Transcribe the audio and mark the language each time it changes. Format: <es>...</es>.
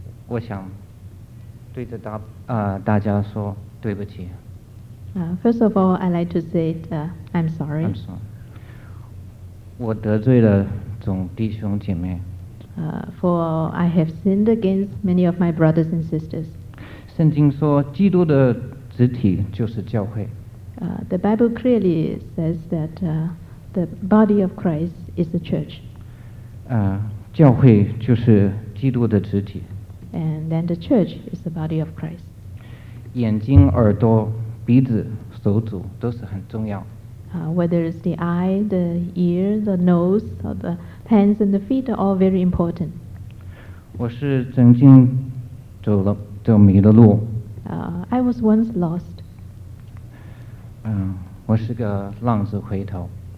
<zh>我想对着大家说对不起。</zh> <en>First of all, I'd like to say I'm sorry. I'm sorry.</en> <zh>我得罪了众弟兄姐妹。</zh> <en>For I have sinned against many of my brothers and sisters.</en> <zh>圣经说基督的肢体就是教会。</zh> <en>The Bible clearly says that the body of Christ is the church.</en> <zh>教会就是基督的肢体。</zh> <en>And then the church is the body of Christ.</en> <zh>眼睛、耳朵、鼻子、手足都是很重要。</zh> <en>Whether it's the eye, the ear, the nose, or the hands and the feet are all very important.</en> <zh>我是曾经走迷了路。</zh> <en>I was once lost.</en> <zh>我是个浪子回头。</zh>